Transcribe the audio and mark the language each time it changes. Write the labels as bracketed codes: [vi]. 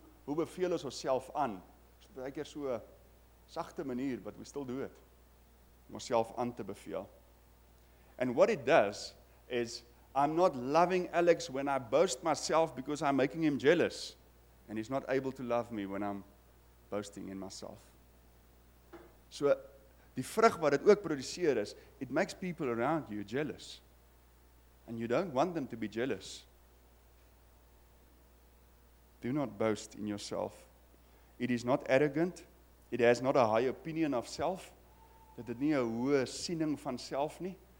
[af] Hoe beveel ons onsself aan? Dit is baie keer so sagte manier wat [en] we still do it. [af] Om onsself aan te beveel. [en] And what it does is, I'm not loving Alex when I boast myself because I'm making him jealous. And he's not able to love me when I'm boasting in myself. [af] So, die vrug wat het ook produceer is, [en] it makes people around you jealous. And you don't want them to be jealous. Do not boast in yourself. It is not arrogant. It has not a high opinion of self. [af] Dit het nie een hoë siening van self nie.